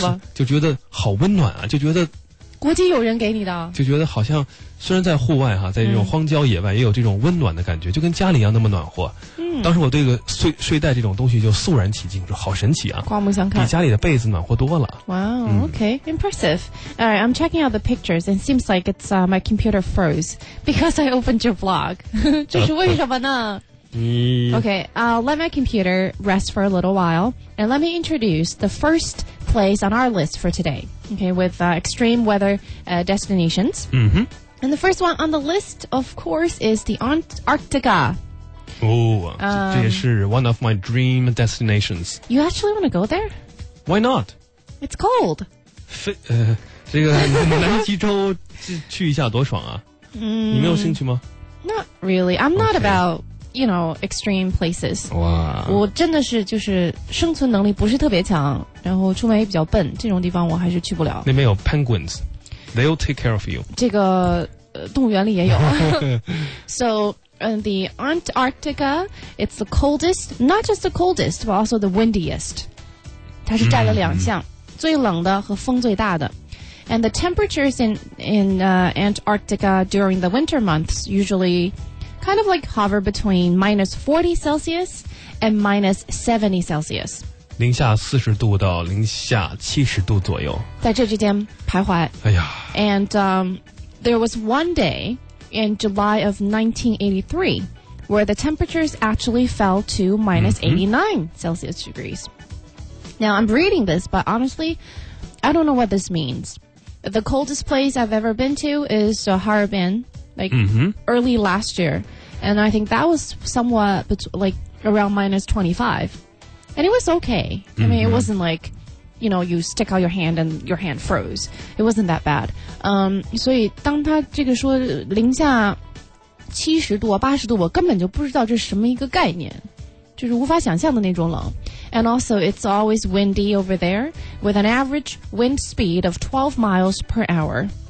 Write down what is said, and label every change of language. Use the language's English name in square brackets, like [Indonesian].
[Chinese] 当时就觉得好温暖啊，就觉得国际友人给你的，就觉得好像虽然在户外哈、在这种荒郊野外也有这种温暖的感觉，就跟家里一样那么暖和。当时我对个睡袋这种东西就肃然起敬，就好神奇啊，刮目相看，比家里的被子暖和多了。 [English] Wow, okay, impressive. All right, I'm checking out the pictures and seems like it's、my computer froze because I opened your blog. [Chinese] 这是为什么呢？ [English] Okay, I'll let my computer rest for a little while and let me introduce the first place on our list for today. Okay, with extreme weather destinations. And the first one on the list, of course, is the Antarctica. Oh, this is one of my dream destinations. You actually want to go there? Why not? It's cold. [Chinese] 这个南极洲去一下多爽啊。你没有兴趣吗？ [English] Not really. I'm not about... You know, extreme places. [Chinese] 哇，我真的是就是生存能力不是特别强，然后出门也比较笨，这种地方我还是去不了。那边有 [English] penguins, they'll take care of you. [Chinese] 这个动物园里也有。 [English] So, the Antarctica, it's the coldest, not just the coldest, but also the windiest. [Chinese] 它是占了两项，最冷的和风最大的。 [English] And the temperatures in Antarctica during the winter months usually... kind of like hover between minus 40 Celsius and minus 70 Celsius. [Chinese] 零下40度到零下70度左右。在这之间徘徊。哎呀。 [English] And there was one day in July of 1983 where the temperatures actually fell to minus 89 Celsius degrees. Now, I'm reading this, but honestly, I don't know what this means. The coldest place I've ever been to is Harbin. Early last year. And I think that was somewhat like around minus 25. And it was okay. I mean, it wasn't like, you know, you stick out your hand and your hand froze. It wasn't that bad. [Chinese] 所以当他这个说零下70度80度，我根本就不知道这是什么一个概念，就是无法想象的那种冷。 [English] And also, it's always windy over there with an average wind speed of 12 miles per hour.